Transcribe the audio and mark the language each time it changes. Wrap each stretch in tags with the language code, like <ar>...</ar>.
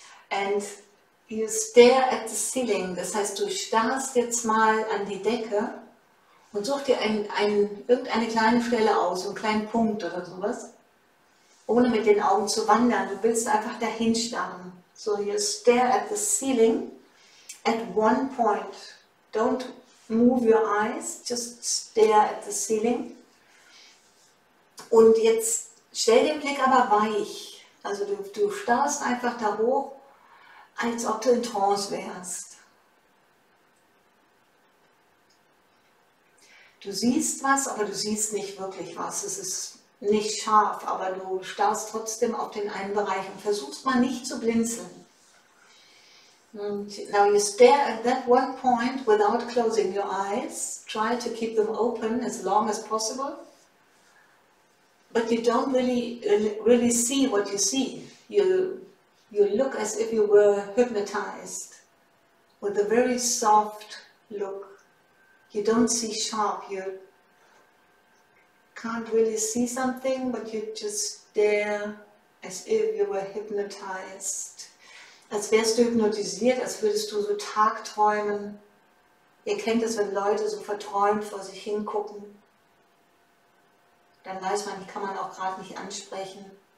<en>And you stare at the ceiling.</en> <de>Das heißt, du starrst jetzt mal an die Decke und such dir irgendeine kleine Stelle aus, so einen kleinen Punkt oder sowas, ohne mit den Augen zu wandern. Du willst einfach dahin starren.</de> <en>So, you stare at the ceiling. At one point, don't move your eyes, just stare at the ceiling.</en> <de>Und jetzt stell den Blick aber weich. Also du starrst einfach da hoch, als ob du in Trance wärst. Du siehst was, aber du siehst nicht wirklich was. Es ist nicht scharf, aber du starrst trotzdem auf den einen Bereich und versuchst mal nicht zu blinzeln.</de> <en>And now you stare at that one point without closing your eyes. Try to keep them open as long as possible. But you don't really see what you see. You look as if you were hypnotized with a very soft look. You don't see sharp. You can't really see something, but you just stare as if you were hypnotized.</en> <de>Als wärst du hypnotisiert, als würdest du so tagträumen. Ihr kennt es, wenn Leute so verträumt vor sich hingucken. Dann weiß man, die kann man auch gerade nicht ansprechen.</de>